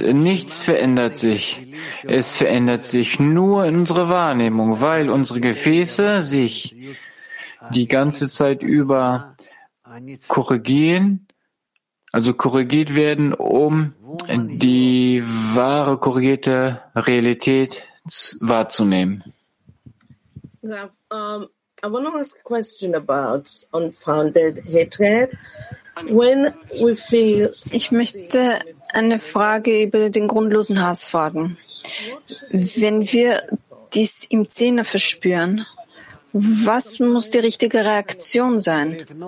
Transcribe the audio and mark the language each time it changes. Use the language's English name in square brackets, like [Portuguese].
[German] Nichts verändert sich. Es verändert sich nur in unserer Wahrnehmung, weil unsere Gefäße sich die ganze Zeit über korrigieren, also korrigiert werden, um die wahre korrigierte Realität wahrzunehmen. [English] I want to ask a question about unfounded hatred. When we feel, [German] ich möchte eine Frage über den grundlosen Hass fragen. Wenn wir dies im Zehner verspüren, was muss die richtige Reaktion sein?